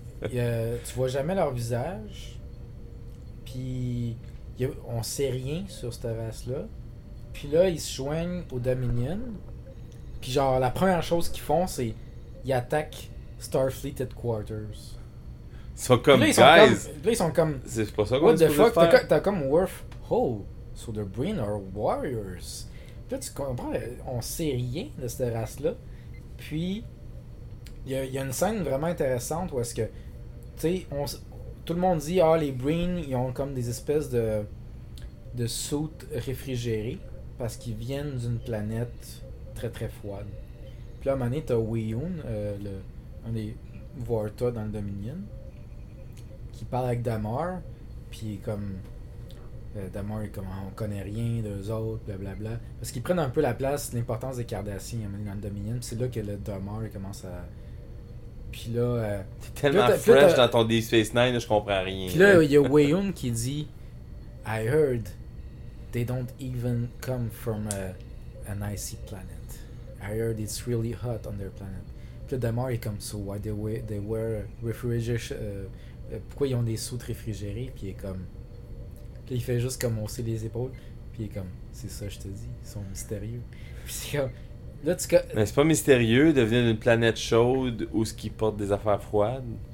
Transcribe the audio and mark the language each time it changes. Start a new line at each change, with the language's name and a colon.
French: Tu vois jamais leur visage. Puis, on sait rien sur cette race-là. Puis là, ils se joignent au Dominion. Puis genre, la première chose qu'ils font, c'est... Ils attaquent Starfleet Headquarters. Ils sont comme, là, ils guys! Sont comme, là, ils sont comme... C'est pas ça qu'on dit.
English: What the fuck?
French: T'as comme Worf.
English: Oh, so the Breen are warriors.
French: Là, tu comprends, on sait rien de cette race-là. Puis, il y a une scène vraiment intéressante où est-ce que, tu sais, tout le monde dit, ah, les Breen, ils ont comme des espèces de soutes réfrigérées parce qu'ils viennent d'une planète très, très froide. Puis là, à un moment donné, t'as Weyoun, un des Vorta dans le Dominion, qui parle avec Damar, puis comme... Damar est comme, on connaît rien d'eux autres, blablabla. Bla, bla. Parce qu'ils prennent un peu la place, l'importance des Cardassiens dans le Dominion. Puis c'est là que le Damar commence à. Puis là. T'es tellement là, fresh dans ton Deep Space Nine, je comprends rien. Puis là, il y a Weyoun qui dit,
English: I heard they don't even come from an icy planet. I heard it's really hot on their planet.
French: Puis là, Damar est comme,
English: so why they wear refrigerators.
French: Pourquoi ils ont des soutes réfrigérées? Puis il est comme. Il fait juste comme hausser les épaules, puis il est comme, c'est ça, je te dis, ils sont mystérieux. Puis c'est comme, là, tu. Mais c'est pas mystérieux de venir d'une planète chaude où ce qui porte des affaires froides?